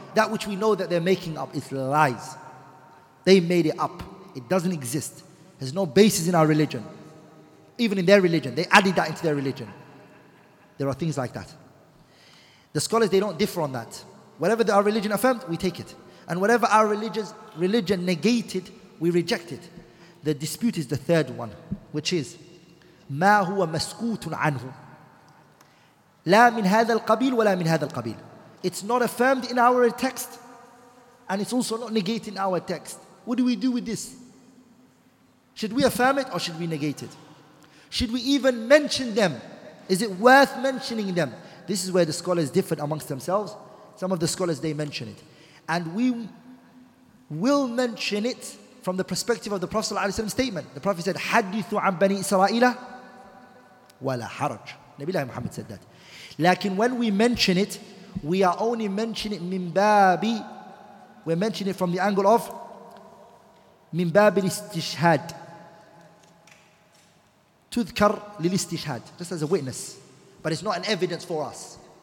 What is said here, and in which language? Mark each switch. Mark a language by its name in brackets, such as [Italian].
[English] That which we know that they're making up is lies. They made it up. It doesn't exist. There's no basis in our religion. Even in their religion, they added that into their religion. There are things like that. The scholars, they don't differ on that. Whatever our religion affirmed, we take it. And whatever our religion negated, we reject it. The dispute is the third one, which is [Arabic] مَا هُوَ مَسْكُوتٌ عَنْهُ لَا مِنْ هَذَا الْقَبِيلُ وَلَا مِنْ هَذَا الْقَبِيلُ. [English] It's not affirmed in our text, and it's also not negated in our text. What do we do with this? Should we affirm it or should we negate it? Should we even mention them? Is it worth mentioning them? This is where the scholars differed amongst themselves. Some of the scholars, they mention it. And we will mention it from the perspective of the Prophet's statement. The Prophet said, [Arabic] حَدِّثُ عَن بَنِي إِسْرَائِيلَ وَلَا حَرَجْ. [English] Nabilahi Muhammad said that. Lakin when we mention it, we are only mentioning it min babi. We're mentioning it from the angle of min babi istishhad. Tudhkar lil istishhad, just as a witness. But it's not an evidence for us.